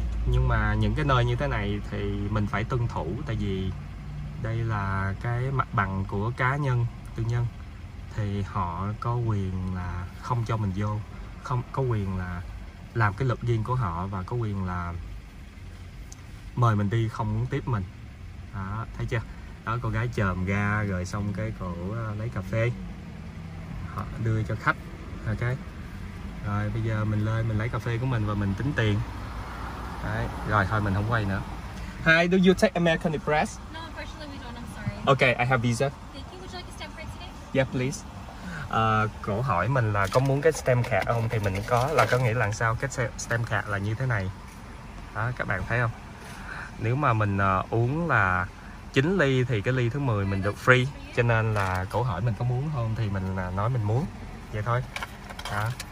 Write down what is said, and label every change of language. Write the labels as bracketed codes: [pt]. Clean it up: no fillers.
[vi] Nhưng mà những cái nơi như thế này thì mình phải tuân thủ, tại vì đây là cái mặt bằng của cá nhân, tư nhân, thì họ có quyền là không cho mình vô, không có quyền là làm cái luật riêng của họ, và có quyền là mời mình đi, không muốn tiếp mình. Đó, thấy chưa? Đó, cô gái chồm ra, rồi xong cái cổ lấy cà phê họ đưa cho khách. Ok, rồi bây giờ mình lên mình lấy cà phê của mình và mình tính tiền. Đấy, rồi thôi mình không quay nữa. [en] Hi, do you take American Express? No, unfortunately we don't, I'm sorry. Ok, I have visa. Thank you, would you like a stamp card today? Yeah, please. [vi] Cô hỏi mình là có muốn cái stamp card không? Thì mình có, là có nghĩa là sao? Cái stamp card là như thế này. Đó, các bạn thấy không? Nếu mà mình uống là 9 ly thì cái ly thứ 10 mình được free. Cho nên là cậu hỏi mình có muốn không thì mình nói mình muốn. Vậy thôi. Đó.